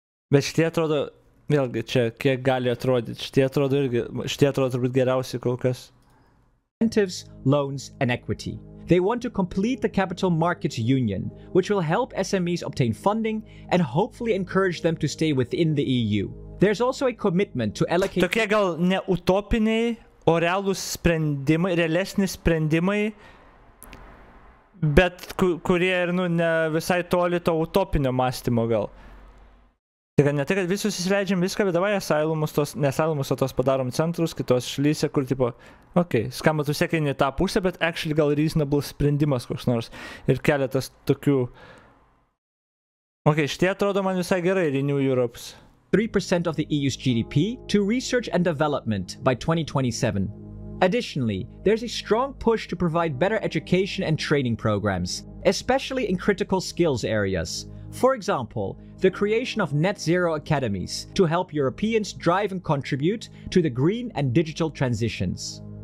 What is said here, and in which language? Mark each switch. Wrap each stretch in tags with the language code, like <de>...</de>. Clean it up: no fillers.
<lt>Bet šitie atrodo, vėlgi čia kiek gali atrodyti, šitie atrodo turbūt geriausiai kol kas.</lt> <en>Incentives, loans and equity. They want to complete the Capital Markets Union, which will help SMEs obtain funding and hopefully encourage them to stay within the EU. There's also a commitment to allocate...</en> <lt>Tokie gal ne utopiniai, o realūs sprendimai, realesni sprendimai, bet kurie ir ne visai toli to utopinio mąstymo gal. Tik ne tai, kad visus įsileidžiam viską, bet davai asylumus, tos, ne asylumus, o tos padarom centrus, kitos šlyse, kur tipo, okei, okay, skambat užsiekinį tą pusę, bet actually gal reasonable sprendimas koks nors ir keletas tokių. Okei, šitie atrodo man visai gerai, Renew Europe's.</lt> <en>3% of the EU's GDP to research and development by 2027. Additionally, there's a strong push to provide better education and training programs, especially in critical skills areas. For example, the creation of net zero academies to help Europeans drive and contribute to the green and digital transitions.</en>